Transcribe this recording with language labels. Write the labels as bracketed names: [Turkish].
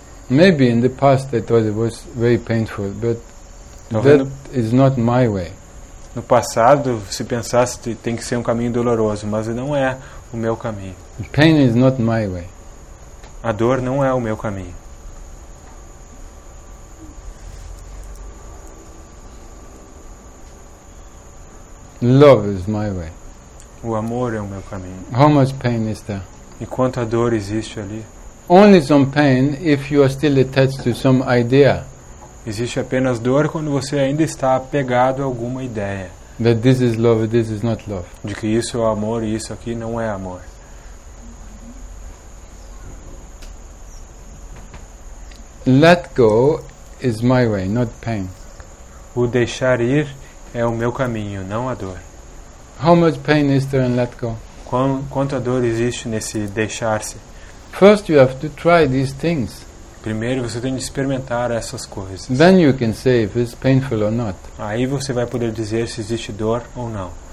[English] Maybe in the past I thought it was very painful, but that is not my way. [Portuguese] No passado, se pensasse que tem que ser um caminho doloroso, mas não é o meu caminho. [English] Pain is not my way. [Portuguese] A dor não é o meu caminho. [English] Love is my way. [Portuguese] O amor é o meu caminho. [English] How much pain is there? [Portuguese] E quanto a dor existe ali? [English] Only some pain if you are still attached to some idea. [Portuguese] Existe apenas dor quando você ainda está apegado a alguma ideia. [English] That this is love, this is not love. [Portuguese] De que isso é amor e isso aqui não é amor. [English] Let go is my way, not pain. [Portuguese] O deixar ir é o meu caminho, não a dor. [English] How much pain is there in let go? [Portuguese] Quanta dor existe nesse deixar-se? [English] First you have to try these things. [Portuguese] Primeiro você tem de experimentar essas coisas. [English] Then you can say if it's painful or not. [Portuguese] Aí você vai poder dizer se existe dor ou não.